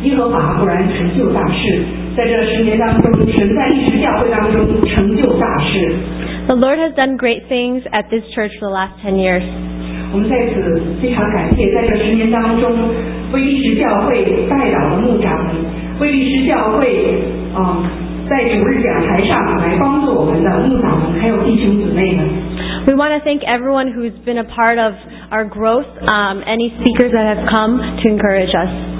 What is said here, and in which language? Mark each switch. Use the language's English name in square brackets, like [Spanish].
[Chinese] 华果然成就大事，在这十年当中，神在历史教会当中成就大事。 [English] The Lord has done great things at this church for the last 10 years. [Chinese] 我们在此非常感谢，在这十年当中，为历史教会代祷的牧长，为历史教会在主日讲台上来帮助我们的牧长们，还有弟兄姊妹们。 [English] We want to thank everyone who's been a part of our growth, any speakers that have come to encourage us.